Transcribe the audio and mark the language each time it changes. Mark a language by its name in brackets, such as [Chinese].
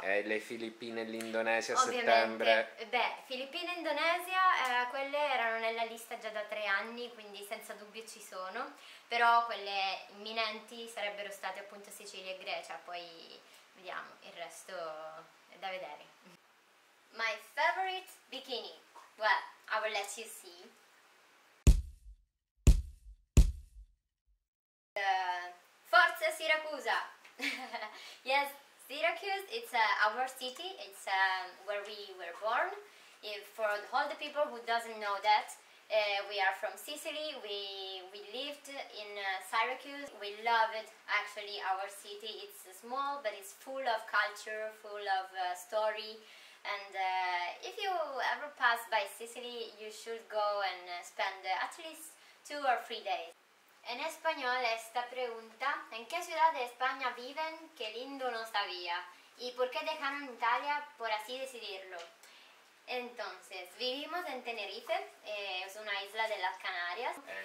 [Italian] E le Filippine e l'Indonesia a ovviamente, settembre? Beh, Filippine e Indonesia, quelle erano nella lista già da 3 anni, quindi senza dubbio ci sono, però quelle imminenti sarebbero state appunto Sicilia e Grecia, poi vediamo, il resto è da vedere. [English] My favorite bikini, well, I will let you see. [Italian] Forza Siracusa! [English] Yes, Syracuse, it's our city, it's where we were born. For all the people who doesn't know that, we are from Sicily, we lived in Syracuse. We love it, actually, our city. It's small, but it's full of culture, full of story. And if you ever pass by Sicily, you should go and spend at least 2 or 3 days. [Spanish] En español esta pregunta, ¿en qué ciudad de España viven? Qué lindo no sabía. ¿Y por qué dejaron Italia por así decidirlo? Entonces, vivimos en Tenerife, es una isla de las Canarias.